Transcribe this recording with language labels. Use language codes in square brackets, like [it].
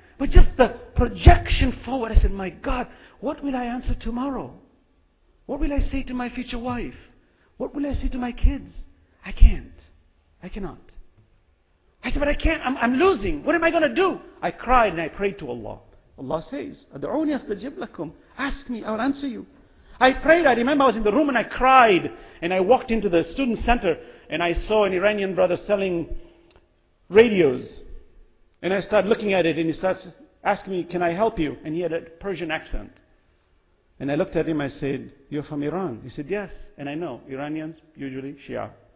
[en] But just the projection forward, I said, my God, what will I answer tomorrow? What will I say to my future wife? What will I say to my kids? I can't. I cannot. I said, but I can't. I'm losing. What am I going to do? I cried and I prayed to Allah. Allah says, [ar] أَدْعُونِ أَسْتَجِبْ لَكُمْ. [en] Ask me, I'll answer you. I prayed. I remember I was in the room and I cried. And I walked into the student center and I saw an Iranian brother selling radios. And I started looking at it and he starts asking me, can I help you? And he had a Persian accent. And I looked at him, I said, you're from Iran? He said, yes. And I know, Iranians, usually Shia.